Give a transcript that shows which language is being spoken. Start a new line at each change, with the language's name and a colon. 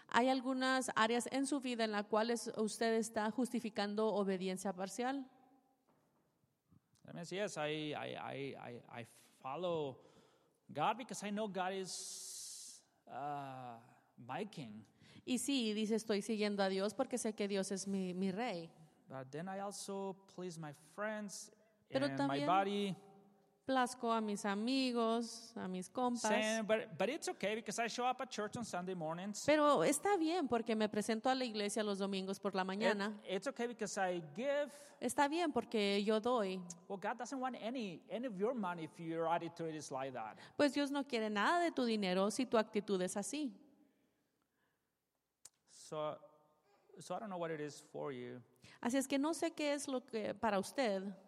Spanish: ¿Hay algunas áreas en su vida en las cuales usted está justificando obediencia parcial?
English: That means yes, I follow God, because I know God is my king.
Spanish: Y sí, dice, estoy siguiendo a Dios porque sé que Dios es mi rey.
English: But then I also please my friends and my body.
Spanish: Plazco a mis amigos, a mis compas.
English: Saying, but it's okay because I show up at church on Sunday mornings.
Spanish: Pero está bien porque me presento a la iglesia los domingos por la mañana.
English: It's okay because I give.
Spanish: Está bien porque yo doy.
English: Well, God doesn't want any of your money if your attitude is like that.
Spanish: Pues Dios no quiere nada de tu dinero si tu actitud es así.
English: So I don't know what it is for you.
Spanish: Así es que no sé qué es lo que para usted.